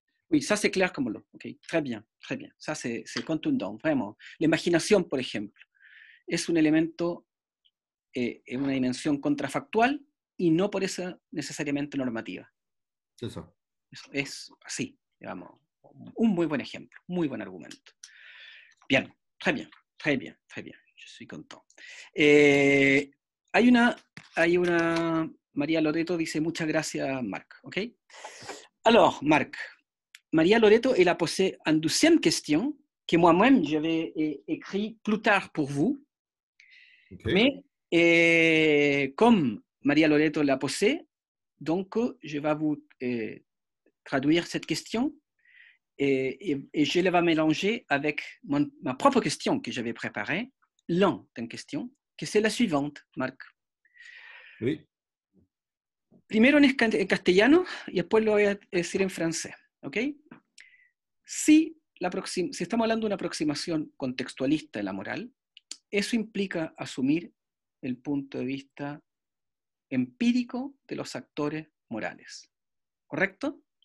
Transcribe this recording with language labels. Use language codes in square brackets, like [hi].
[fr] Oui, ça c'est clair comme l'eau. Okay. Très bien, très bien. Ça c'est contundant, vraiment. L'imagination, par exemple, est un élément, est une dimension contrefactuelle et non pour ça nécessairement normative. C'est ça. [es] Es así, digamos. Un muy buen ejemplo, muy buen argumento. [fr] Bien, très bien, très bien, très bien. Je suis content. [es] Hay una. María Loreto dice muchas gracias, Marc. [fr] Ok. Alors, Marc. María Loreto, elle a posé une deuxième question que moi-même j'avais écrit plus tard pour vous. Okay. Mais comme María Loreto l'a posé, donc je vais vous traduire cette question et je la vais mélanger avec ma propre question que j'avais préparée. L'un en question, que c'est la suivante, Marc. Oui. [es] Primero en castellano y después lo voy a decir en francés, ¿ok? Si estamos hablando de una aproximación contextualista de la moral, eso implica asumir el punto de vista empírico de los actores morales, ¿correcto?